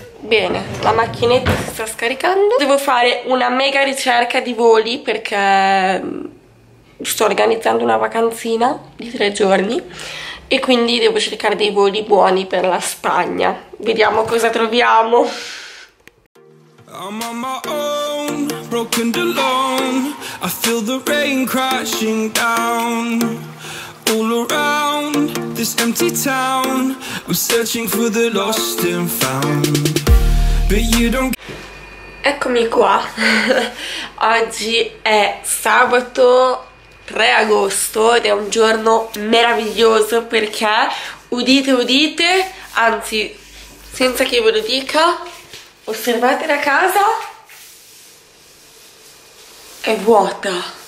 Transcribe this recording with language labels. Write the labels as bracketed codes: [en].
[it] Bene, la macchinetta si sta scaricando. Devo fare una mega ricerca di voli perché sto organizzando una vacanzina di 3 giorni e quindi devo cercare dei voli buoni per la Spagna. Vediamo cosa troviamo. [en] I'm on my own, broken and alone. I feel the rain crashing down. All around this empty town, I'm searching for the lost and found. But you don't. [it] Eccomi qua. Oggi è sabato 3 agosto ed è un giorno meraviglioso perché udite, udite, anzi, senza che io ve lo dica, osservate la casa, è vuota.